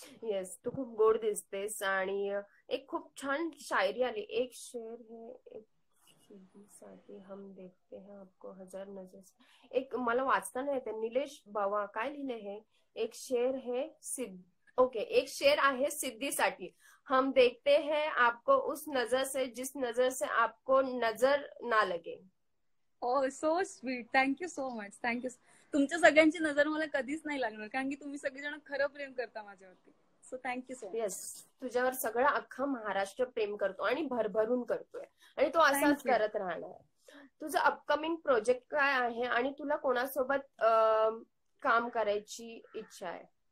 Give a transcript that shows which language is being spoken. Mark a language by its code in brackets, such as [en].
[mr] Yes तू खूप गोड दिसतेस आणि एक खूप छान शायरी आली. [hi] एक शेर साठी हम देखते हैं आपको हजार नजर. [mr] एक मला वाचताना येते निलेश बाबा काय लिहिले हे. [hi] एक शेर है [mr] ओके एक शेर आहे सिद्धीसाठी. [hi] हम देखते हैं आपको उस नजर से जिस नजर से आपको नजर ना लगे. [en] So sweet. Thank you so much. Thank you. [mr] तुमच्या सगळ्यांची नजर मला कधीच नाही लागणार कारण की तुम्ही सगळेजण खरं प्रेम करता माझ्यावरती. [en] So thank you so much. [mr] Yes तुझ्यावर सगळं अख्खा महाराष्ट्र प्रेम करतो आणि भरभरून करतोय आणि तो असाच करत राहणार. तुझा अपकमिंग प्रोजेक्ट काय आहे आणि तुला कोणासोबत काम करायची इच्छा आहे.